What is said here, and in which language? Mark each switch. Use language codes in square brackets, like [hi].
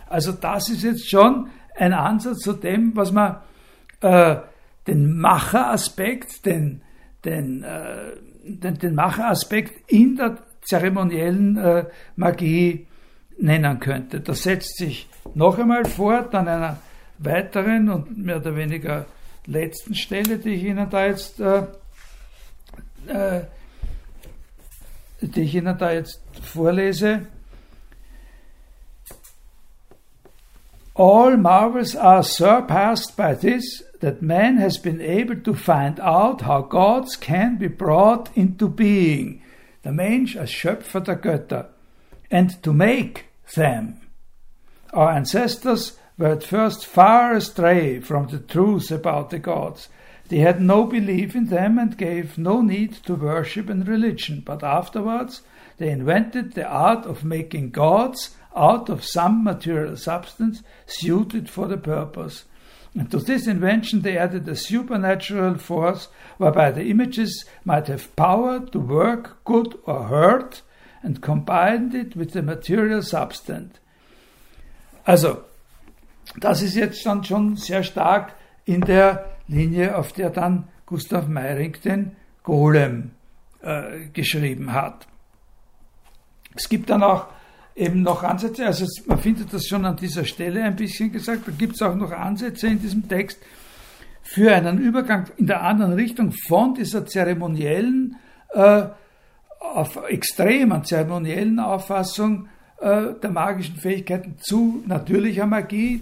[de] Also das ist jetzt schon ein Ansatz zu dem, was man den Macheraspekt in der zeremoniellen Magie nennen könnte. Das setzt sich noch einmal fort an einer weiteren und mehr oder weniger letzten Stelle, die ich Ihnen da jetzt vorlese. [en] All marvels are surpassed by this, that man has been able to find out how gods can be brought into being, the [de] Mensch als Schöpfer der Götter, [en] and to make them. Our ancestors were at first far astray from the truth about the gods. They had no belief in them and gave no need to worship and religion, but afterwards they invented the art of making gods out of some material substance suited for the purpose. And to this invention they added a supernatural force whereby the images might have power to work good or hurt, and combined it with the material substance. [de] Also, das ist jetzt dann schon sehr stark in der Linie, auf der dann Gustav Meyrink den Golem geschrieben hat. Es gibt dann auch eben noch Ansätze, also man findet das schon an dieser Stelle ein bisschen gesagt, da gibt es auch noch Ansätze in diesem Text für einen Übergang in der anderen Richtung von dieser zeremoniellen, auf extremen zeremoniellen Auffassung der magischen Fähigkeiten zu natürlicher Magie.